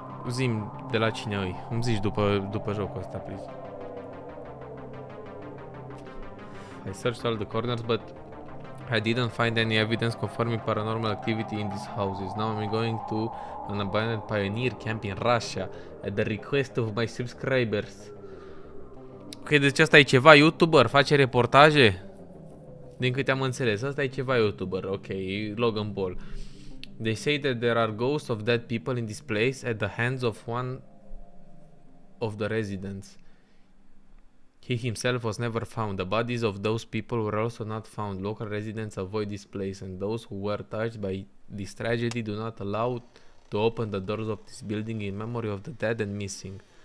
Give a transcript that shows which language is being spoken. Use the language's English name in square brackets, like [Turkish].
[Romanian] zi-mi de la cine îi. Îmi zici după jocul ăsta, please. [English] I searched all the corners, but I didn't find any evidence confirming paranormal activity in these houses. Now I'm going to an abandoned pioneer camp in Russia at the request of my subscribers. [Romanian] Ok, deci ăsta e ceva YouTuber, face reportaje? Din câte am înțeles, ăsta e ceva YouTuber, ok, Logan Paul. [English] They say that there are ghosts of dead people in this place at the hands of one of the residents. He himself was never found. The bodies of those people were also not found. Local residents avoid this place and those who were touched by this tragedy do not allow to open the doors of this building in memory of the dead and missing.